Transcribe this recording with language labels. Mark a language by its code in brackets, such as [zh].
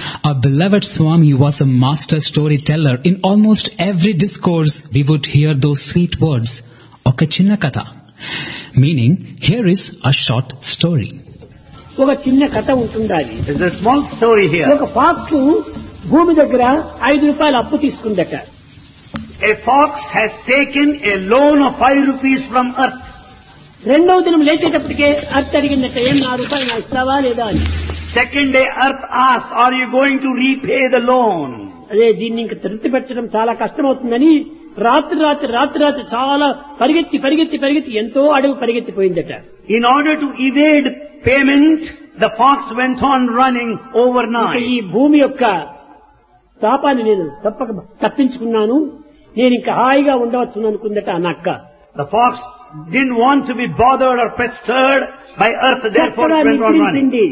[en] Our beloved Swami was a master storyteller. In almost every discourse, we would hear those sweet words, [te] "Oka chinna katha," [en] meaning, here is a short story. [te] Oka chinna katha untundadi. [en] There's a small story here. [te] Oka fox bhoomi daggara 5 rupayalu appu teeskundata. [en] A fox has taken a loan of 5 rupees from earth. [te] రెండవ దినం లేచేటప్పటికే earth అడిగిందట, ఏం 4 రూపాయలు నా ఇస్తావా లేదా అని. [en] Second day earth ask are you going to repay the loan. [te] అదే, దీన్ని ఇంకా తృప్తి పెట్టడం చాలా కష్టమవుతుందని రాత్రి చాలా పరిగెత్తి ఎంతో అడుగు పరిగెత్తిపోయిందట. [en] In order to evade payment the fox went on running overnight. [te] ఈ భూమి యొక్క శాపాన్ని నేను తప్పక తప్పించుకున్నాను, నేను ఇంకా హాయిగా ఉండవచ్చు అనుకుందట అన్నక్క. [en] The fox didn't want to be bothered or pestered by earth, therefore went on running.